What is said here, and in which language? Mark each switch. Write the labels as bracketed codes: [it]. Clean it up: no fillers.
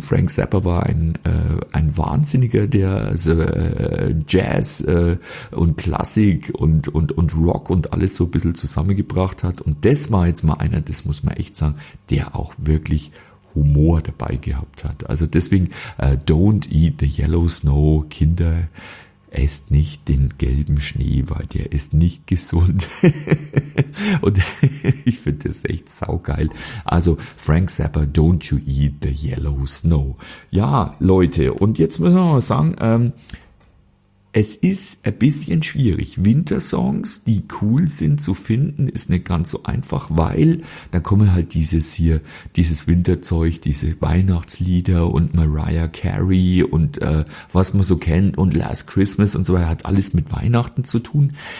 [de] Frank Zappa war ein Wahnsinniger, der also, Jazz und Klassik und Rock und alles so ein bisschen zusammengebracht hat und das war jetzt mal einer, das muss man echt sagen, der auch wirklich Humor dabei gehabt hat. Also deswegen, [en] don't eat the yellow snow, [de] Kinder, esst nicht den gelben Schnee, weil der ist nicht gesund. Und ich finde das echt saugeil. [en] Also Frank Zappa, don't you eat the yellow snow. [de] Ja, Leute, und jetzt müssen wir mal sagen, es ist ein bisschen schwierig. Wintersongs, die cool sind zu finden, ist nicht ganz so einfach, weil da kommen halt dieses Winterzeug, diese Weihnachtslieder und Mariah Carey und was man so kennt und Last Christmas und so weiter, hat alles mit Weihnachten zu tun.